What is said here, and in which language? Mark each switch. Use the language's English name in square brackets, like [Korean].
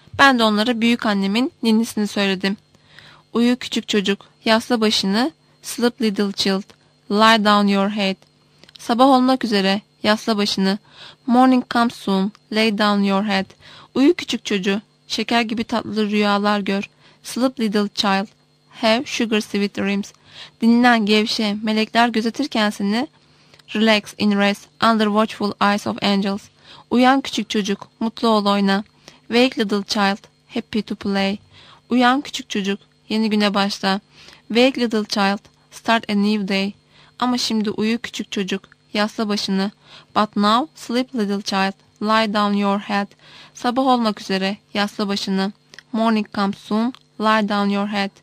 [Turkish] Ben de onlara büyük annemin ninnisini söyledim. Uyu küçük çocuk, yasla başını, [English] sleep little child, lie down your head. [Turkish] Sabah olmak üzere, yasla başını, [English] morning comes soon, lay down your head. [Turkish] Uyu küçük çocuğu, şeker gibi tatlı rüyalar gör. [English] Sleep little child, have sugar sweet dreams. [Turkish] Dinlen, gevşe, melekler gözetirken seni. [English] Relax in rest, under watchful eyes of angels. [Turkish] Uyan küçük çocuk, mutlu ol, oyna. [English] Wake little child, happy to play. [Turkish] Uyan küçük çocuk, yeni güne başla. [English] Wake little child, start a new day. [Turkish] Ama şimdi uyu küçük çocuk, yasla başını. [English] But now, sleep little child, lie down your head. [Turkish] Sabah olmak üzere, yasla başını. [English] Morning comes soon, lie down your head.